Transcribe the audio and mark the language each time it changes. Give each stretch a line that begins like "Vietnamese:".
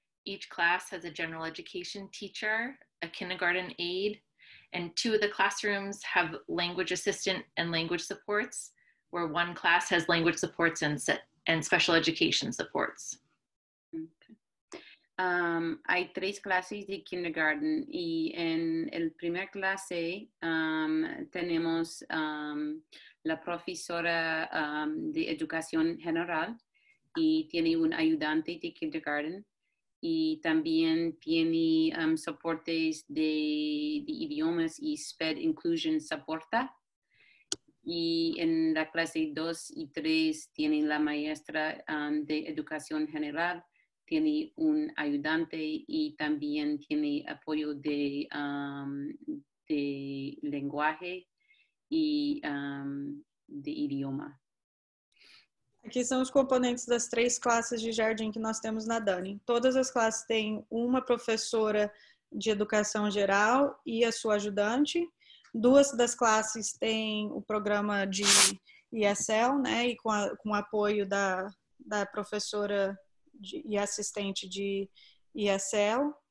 English: Each class has a general education teacher, a kindergarten aide, and two of the classrooms have language assistant and language supports, where one class has language supports and special education supports. Okay.
Spanish: Hay tres clases de kindergarten y en el primer clase tenemos la profesora de educación general y tiene un ayudante de kindergarten y también tiene soportes de idiomas y SPED inclusion supporta. Y en la clase 2 y 3 tiene la maestra de educación general, tiene un ayudante y también tiene apoyo de lenguaje y de idioma.
Portuguese: Aqui são os componentes das três classes de jardim que nós temos na Dani. Todas as classes têm uma professora de educação geral e a sua ajudante. Duas das classes têm o programa de ESL, né, e com apoio da professora e assistente de ESL.